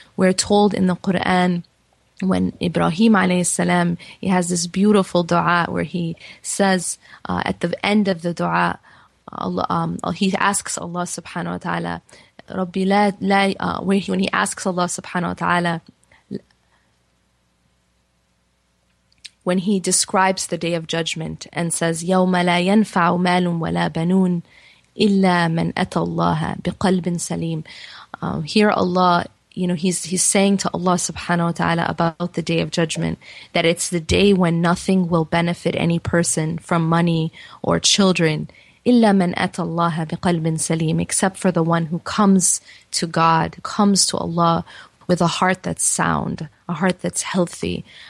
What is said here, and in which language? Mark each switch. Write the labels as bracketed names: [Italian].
[English] We're told in the Quran, when Ibrahim alayhi salam, he has this beautiful dua where he says at the end of the dua, he asks Allah subhanahu wa ta'ala, [Arabic] رَبِّ لَا لَا [English] when he asks Allah subhanahu wa ta'ala, when he describes the Day of Judgment and says, [Arabic] يَوْمَ لَا يَنْفَعُ مَالٌ وَلَا بَنُونَ إِلَّا مَنْ أَتَى اللَّهَ بِقَلْبٍ سَلِيمٍ. [English] Here Allah, you know, he's saying to Allah subhanahu wa ta'ala about the Day of Judgment, that it's the day when nothing will benefit any person from money or children, [Arabic] إِلَّا مَنْ أَتَى اللَّهَ بِقَلْبٍ سَلِيمٍ, [English] except for the one who comes to God, comes to Allah with a heart that's sound, a heart that's healthy.